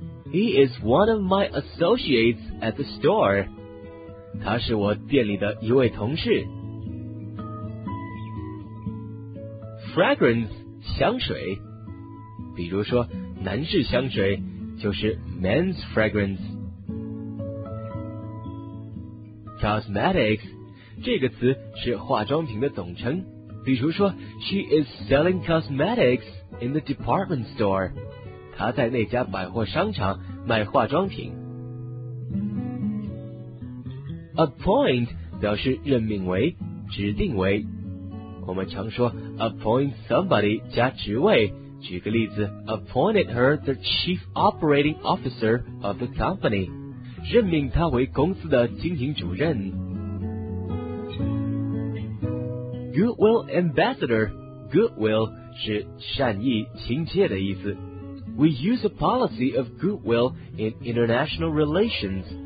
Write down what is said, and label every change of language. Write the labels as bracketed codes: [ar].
[en] He is one of my associates at the store. [zh] 他是我店里的一位同事。 Fragrance 香水，比如说男士香水就是 [en] men's fragrance。 Cosmetics [zh] 这个词是化妆品的总称，比如说 [en] She is selling cosmetics in the department store. [zh] 她在那家百货商场卖化妆品。 Appoint 表示任命为，指定为。我们常说 [en] Appoint somebody [zh] 加职位，举个例子， [en] Appointed her the chief operating officer of the company. [zh] 任命他为公司的经营主任。 [en] Goodwill Ambassador, [zh] Goodwill 是善意亲切的意思。 [en] We use a policy of goodwill in international relations.